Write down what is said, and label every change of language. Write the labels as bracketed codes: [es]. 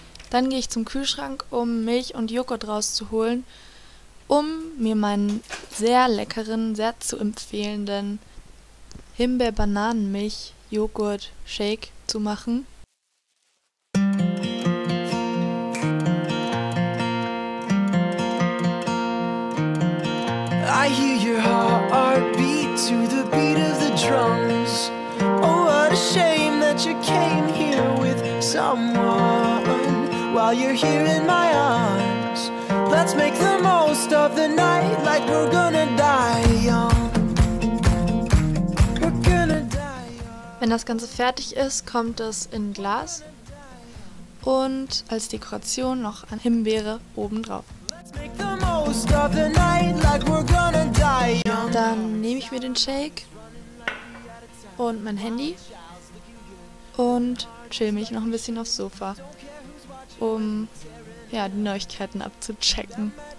[de] Dann gehe ich zum Kühlschrank, um Milch und Joghurt rauszuholen, um mir meinen sehr leckeren, sehr zu empfehlenden Himbeer-Bananen-Milch-Joghurt-Shake zu machen. [en] I hear your heartbeat to the beat of the drums. Oh, what a shame that you came here with someone. While you're here in my arms, let's make the most of the night, like we're gonna die young. We're gonna die young. [de] Wenn das Ganze fertig ist, kommt es in ein Glas und als Dekoration noch eine Himbeere obendrauf. [en] Let's make the most of the night, like we're gonna die young. [de] Dann nehme ich mir den Shake und mein Handy und chill mich noch ein bisschen aufs Sofa, um ja, die Neuigkeiten abzuchecken.